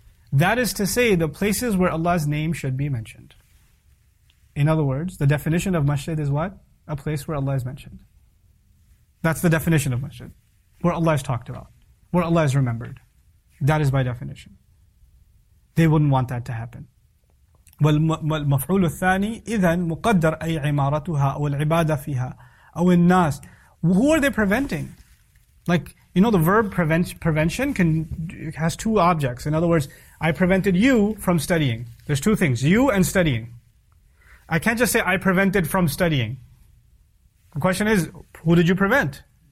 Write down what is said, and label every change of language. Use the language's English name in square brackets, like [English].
[English] That is to say, the places where Allah's name should be mentioned. In other words, the definition of masjid is what? A place where Allah is mentioned. That's the definition of masjid. Where Allah is talked about. Where Allah is remembered. That is by definition. They wouldn't want that to happen. [Arabic] والمفعول الثاني إذن مقدر أي عمارتها أو العبادة فيها أو الناس. [English] Who are they preventing? Like, you know, the verb prevention has two objects. In other words, I prevented you from studying. There's two things, you and studying. I can't just say I prevented from studying. The question is, who did you prevent?